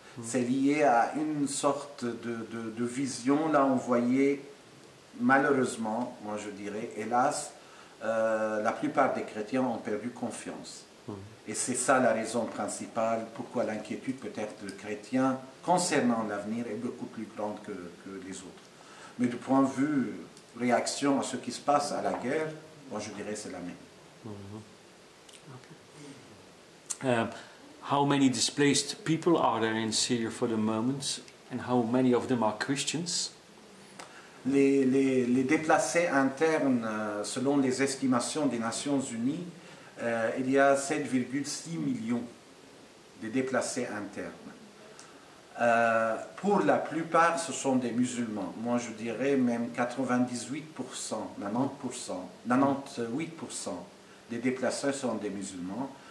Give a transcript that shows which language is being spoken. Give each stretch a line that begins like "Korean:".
French: C'est lié à une sorte de vision, là on voyait malheureusement, moi je dirais, hélas, la plupart des chrétiens ont perdu confiance. Et c'est ça la raison principale pourquoi l'inquiétude peut-être des chrétiens concernant l'avenir est beaucoup plus grande que les autres. Mais du point de vue réaction à ce qui se passe à la guerre, moi je dirais c'est la même.
English: How many displaced people are there in Syria for the moment, and how many of them are Christians?
French: Les déplacés internes, selon les estimations des Nations Unies, il y a 7,6 millions de déplacés internes. Pour la plupart, ce sont des musulmans. Moi, je dirais même 98%, 90%, 98% des déplacés sont des musulmans.